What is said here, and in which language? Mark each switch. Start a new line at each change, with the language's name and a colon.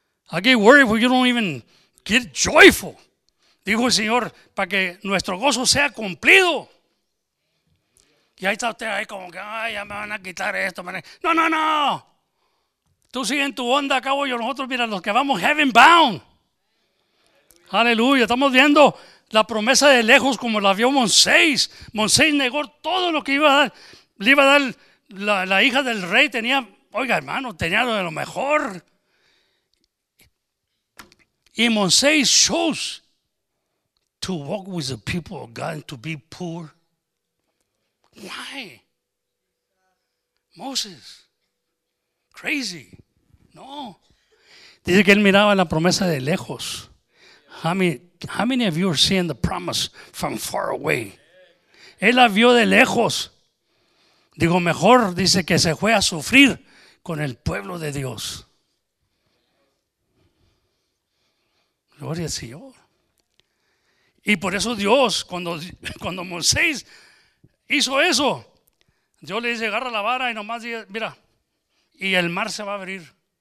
English: I get worried when you don't even get joyful.
Spanish: Dijo el Señor, para que nuestro gozo sea cumplido. Y ahí está usted ahí como que, ay, ya me van a quitar esto. No. Tú sigue en tu onda, acabo yo. Nosotros, mira, los que vamos
English: heaven bound.
Spanish: Aleluya. Estamos viendo la promesa de lejos como la vio Moisés. Moisés negó todo lo que iba a dar. Le iba a dar la hija del rey. Tenía, oiga, hermano, tenía lo de lo mejor. Y Moisés
English: chose to walk with the people of God and to be poor. Why? Moses. Crazy. No.
Spanish: Dice que él miraba la promesa de lejos.
English: How many of you are seeing the promise from far away?
Spanish: Él la vio de lejos. Digo, mejor, dice que se fue a sufrir con el pueblo de Dios. Gloria al Señor. Y por eso Dios, cuando Moisés hizo eso, Dios le dice, agarra la vara y nomás dice, mira, y el mar se va a abrir.